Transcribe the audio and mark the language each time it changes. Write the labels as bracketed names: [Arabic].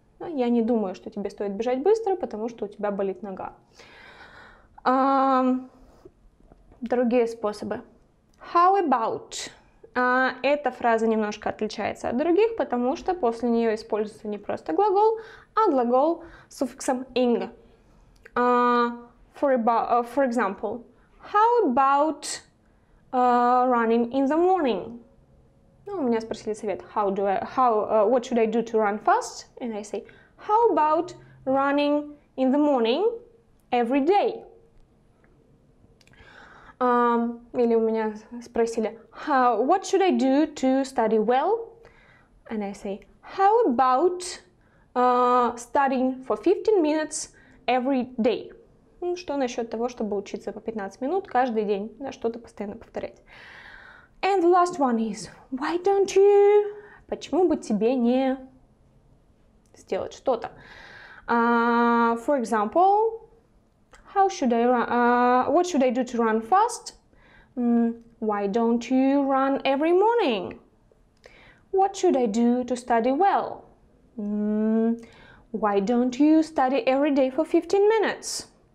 [Russian] Я не думаю, что тебе стоит бежать быстро, потому что у тебя болит нога. Другие способы. [English] How about? [Russian] Эта фраза немножко отличается от других, потому что после нее используется не просто глагол, а глагол с суффиксом ing. [English] For example, how about running in the morning? [Russian] Ну, у меня спросили совет, [English] what should I do to run fast? And I say, how about running in the morning every day? [Russian] Или у меня спросили, [English] what should I do to study well? And I say, how about studying for 15 minutes every day? [Russian] Ну, что насчет того, чтобы учиться по 15 минут каждый день, да, что-то постоянно повторять. [English] And the last one is, why don't you? [Russian] Почему бы тебе не сделать что-то? [English] For example, how should I run? What should I do to run fast? Why don't you run every morning? What should I do to study well? Why don't you study every day for 15 minutes?